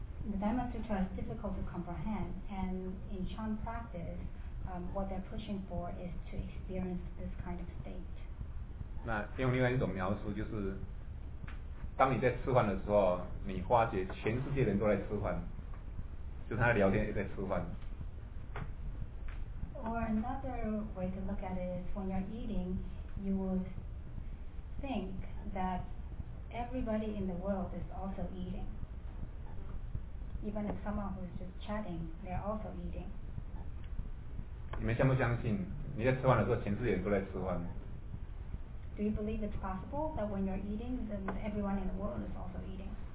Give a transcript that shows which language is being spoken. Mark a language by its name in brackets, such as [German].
[English] The Diamond Sutra is difficult to comprehend, and in Chan practice, what they're pushing for is to experience this kind of state. [Chinese] 那用另外一种描述，就是当你在吃饭的时候，你发觉全世界人都在吃饭，就他聊天也在吃饭。 [English] Or another way to look at it is when you're eating, you would think that everybody in the world is also eating. Even if someone who is just chatting, they're also eating. [Chinese] 你们相不相信？你在吃饭的时候，全世界人都在吃饭。 [English] Do you believe it's possible that when you're eating, then everyone in the world is also eating?